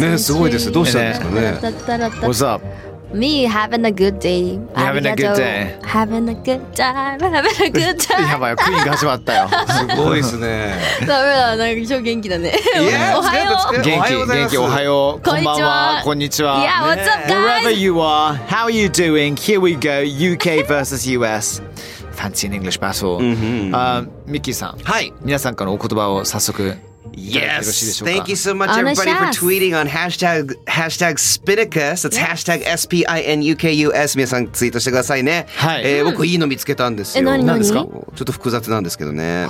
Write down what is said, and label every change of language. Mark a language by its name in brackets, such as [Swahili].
[Japanese] ね、すごいです。どうしたんですかね。 [English] What's up? Me having a good day. Having a good day. Having a good time. Having a good time. [Japanese] やばい、クイーンが始まったよ。すごいですね。ダメだ、なんか超元気だね。おはよう。元気、元気、おはよう。こんばんは。こんにちは。 [English] Yeah, what's up, guys? Wherever you are, how are you doing? Here we go. UK versus US. Fancy an English battle. [Japanese] ミッキーさん、はい、皆さんからお言葉を早速いただいてよろしいでしょうか。 [English] Thank you so much everybody for tweeting on hashtag Spinnacus. That's hashtag S-P-I-N-U-K-U-S. [Japanese] 皆さんツイートしてくださいね。はい、僕いいの見つけたんですよ。何ですか。ちょっと複雑なんですけどね。